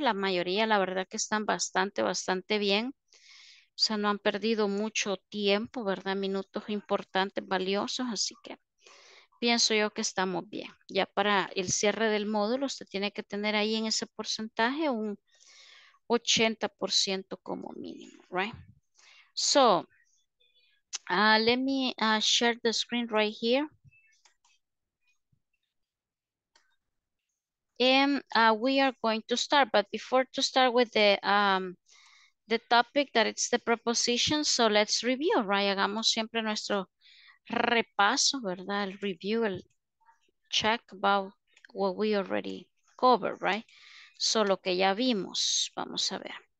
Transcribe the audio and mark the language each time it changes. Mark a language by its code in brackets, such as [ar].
[es] La mayoría, la verdad que están bastante, bastante bien. O sea, no han perdido mucho tiempo, ¿verdad? Minutos importantes, valiosos, así que pienso yo que estamos bien. Ya para el cierre del módulo, usted tiene que tener ahí en ese porcentaje un 80% como mínimo, [en] right? So, let me share the screen right here. We are going to start, but before to start with the topic that it's the preposition, so let's review, right? [es] Hagamos siempre nuestro repaso, ¿verdad? [en] El review, el check about what we already covered, right? So [es] lo que ya vimos, vamos a ver.